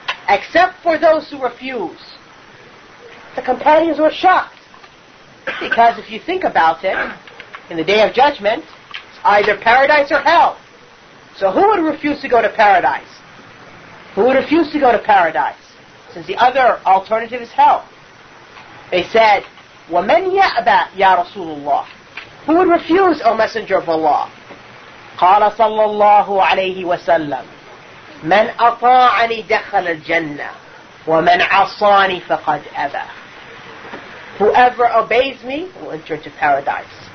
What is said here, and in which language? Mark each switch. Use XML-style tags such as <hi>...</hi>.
<en>Except for those who refuse. The companions were shocked. Because if you think about it, in the Day of Judgment, either paradise or hell. So who would refuse to go to paradise? Who would refuse to go to paradise? Since the other alternative is hell. They said,</en> <ar>وَمَنْ يَأْبَى يَا رَسُولُ اللَّهِ.</ar> <en>Who would refuse, O Messenger of Allah?</en> <ar>قَالَ صَلَّى اللَّهُ عَلَيْهِ وَسَلَّمْ مَنْ أَطَاعَنِي دَخَلَ الْجَنَّةِ وَمَنْ عَصَانِي فَقَدْ أَبَى.</ar> <en>Whoever obeys me will enter into paradise.</en>